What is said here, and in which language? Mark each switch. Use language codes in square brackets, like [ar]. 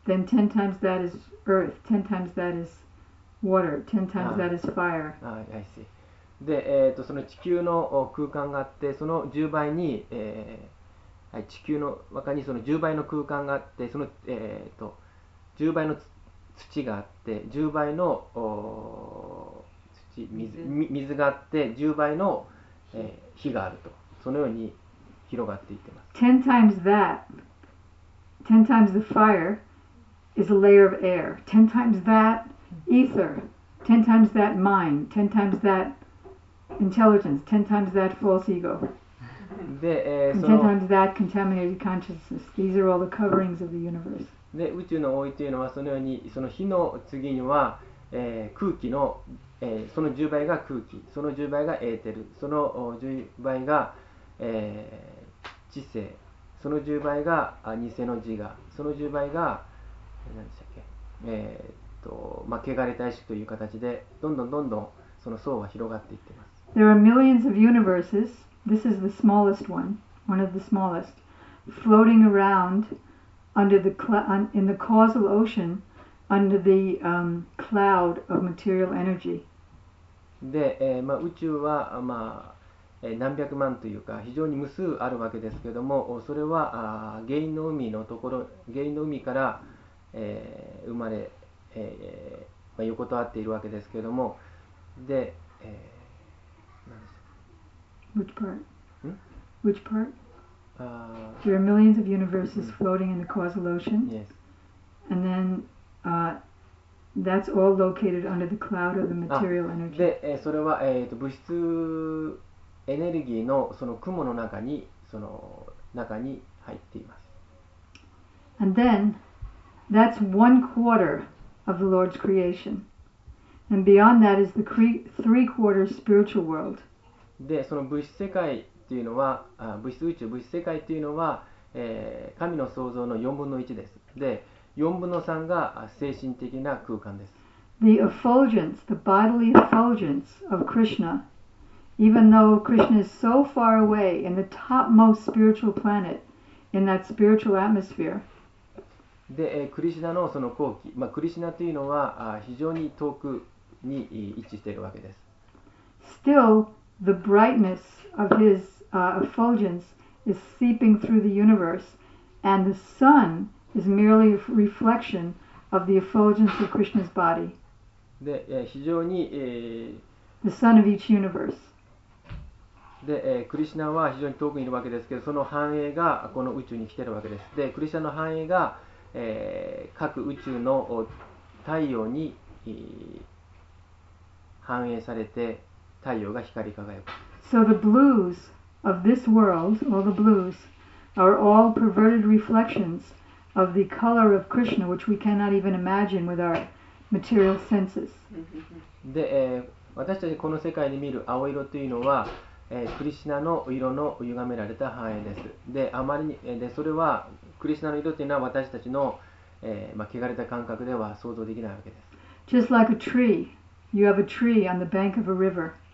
[en] then 10 times that is earth, 10 times that is water, 10 times that is fire. ああ、I see. [ja] で、その地球の空間があって、その10倍に、地球の中にその10倍の空間があって、その、10倍の土があって、10倍の水があって、10倍の、火があると、そのように広がっていってます。 [en] 10 times that, 10 times the fire is a layer of air, 10 times that ether, 10 times that mind, 10 times that intelligence, 10 times that false ego, [ja] で、 [en] その 10 times that contaminated consciousness. These are all the coverings of the universe. [ja] で、宇宙の覆いというのはそのように、その火の次には、空気の、その10倍が空気、その10倍がエーテル、その10倍が、知性、その10倍が偽の自我、その10倍が何でしたっけ、まあ、汚れた意識という形で、どんどんどんどんその層は広がっていっています。 [en] There are millions of universes. This is the smallest one, one of the smallest, floating around under the in the causal ocean. Under the cloud of material energy. [ja] で、まあ、宇宙は、まあ、何百万というか非常に無数あるわけですけれども、それは原因の海のところ、原因の海から、生まれ、まあ、横たわっているわけですけれども、で、何でしょう。 [en] Which part? ん? Which part? There are millions of universes floating in the causal ocean. Yes. And then. That's all located under the cloud of the material energy. [ja] で、それは、物質エネルギーのその雲の中に、その中に入っています。 [en] And then, that's one quarter of the Lord's creation. And beyond that is the three-quarter spiritual world. [ja] で、その物質世界っていうのは、物質宇宙、物質世界っていうのは、神の創造の4分の1です。で、4分の3が精神的な空間です。 [en] The effulgence, the bodily effulgence of Krishna Even though Krishna is so far away in the topmost spiritual planet, in that spiritual atmosphere. [ja] で、クリシナのその後期、まあ、クリシナというのは非常に遠くに位置しているわけです。 [en] Still, the brightness of his effulgence is seeping through the universe, and the sun is merely a reflection of the effulgence of Krishna's body. [ja] で、非常に、 [en] the sun of each universe. [ja] で、クリシナは非常に遠くにいるわけですけど、その繁栄がこの宇宙に来ているわけです。で、クリシナの繁栄が、各宇宙の太陽に、繁栄されて、太陽が光り輝く。 [en] So the blues of this world, all the blues, are all perverted reflections of the color of Krishna, which we cannot even imagine with our material senses. [ja] で、私たちこの世界で見る青色というのは、クリシナの色の歪められた繁栄です。で、あまりに、で、それは、クリシナの色というのは私たちの、まあ、汚れた感覚では想像できないわけです。 [en] Just like a tree, you have a tree on the bank of a river.